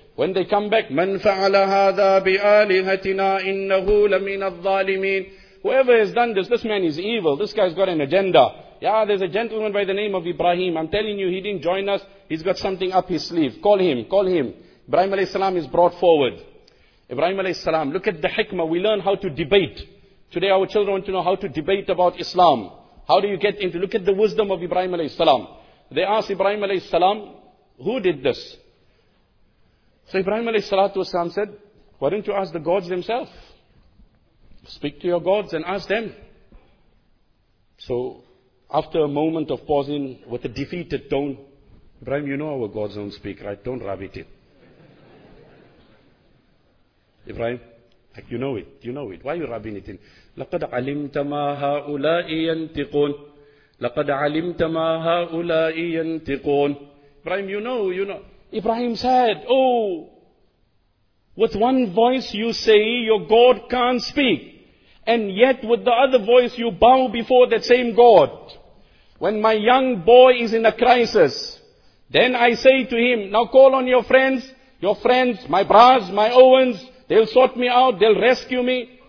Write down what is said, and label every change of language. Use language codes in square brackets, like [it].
[en] When they come back, [ar] مَنْ فَعَلَ هَذَا بِآلِهَتِنَا إِنَّهُ لَمِنَ الظَّالِمِينَ. [en] Whoever has done this, this man is evil. This guy's got an agenda. Yeah, there's a gentleman by the name of Ibrahim. I'm telling you, he didn't join us. He's got something up his sleeve. Call him, call him. Ibrahim alayhi salam is brought forward. Ibrahim alayhi salam, look at the hikmah. We learn how to debate. Today our children want to know how to debate about Islam. How do you get into, look at the wisdom of Ibrahim alayhi salam. They ask Ibrahim alayhi salam, who did this? So Ibrahim alayhi salatu wasalam said, why don't you ask the gods themselves? Speak to your gods and ask them. So after a moment of pausing with a defeated tone, Ibrahim, you know our gods don't speak, right? Don't rub it in. Ibrahim, like, you know it, you know it. Why are you rubbing it in? [ar] لَقَدْ عَلِمْتَ مَا هَؤُلَاءِ يَنْتِقُونَ لَقَدْ عَلِمْتَ مَا هَؤُلَاءِ يَنْتِقُونَ [en] Ibrahim, you know, you know. Ibrahim said, oh, with one voice you say your God can't speak, and yet with the other voice you bow before that same God. When my young boy is in a crisis, then I say to him, now call on your friends, my bras, my Owens, they'll sort me out, they'll rescue me.